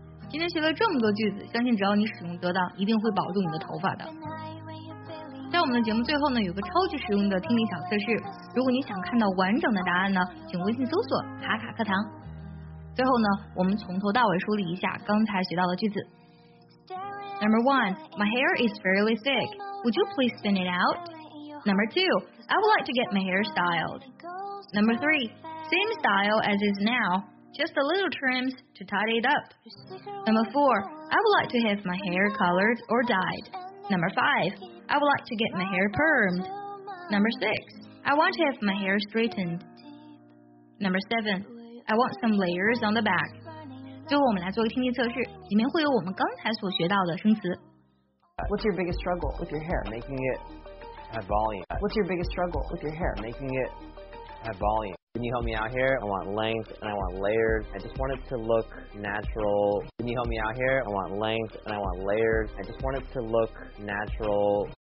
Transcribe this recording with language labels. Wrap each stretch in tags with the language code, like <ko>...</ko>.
<zh>今天学了这么多句子，相信只要你使用得当，一定会保住你的头发的。在我们的节目最后呢，有个超级实用的听力小测试，如果你想看到完整的答案呢，请微信搜索卡卡课堂。最后呢，我们从头到尾梳理一下刚才学到的句子。</zh> <en>Number one, my hair is fairly thick. Would you please thin it out? Number two, I would like to get my hair styled. Number three, same style as is now, just a little trims to tidy it up. Number four, I would like to have my hair colored or dyed. Number five, I would like to get my hair permed. Number six, I want to have my hair straightened. Number seven,I want some layers on the back.</en> <zh>最后我们来做个听力测试，里面会有我们刚才所学到的生词。</zh> <en>What's your biggest struggle with your hair? Making it have volume. What's your biggest struggle with your hair? Making it have volume. Can you help me out here? I want length and I want layers. I just want it to look natural. Can you help me out here? I want length and I want layers. I just want it to look natural.</en>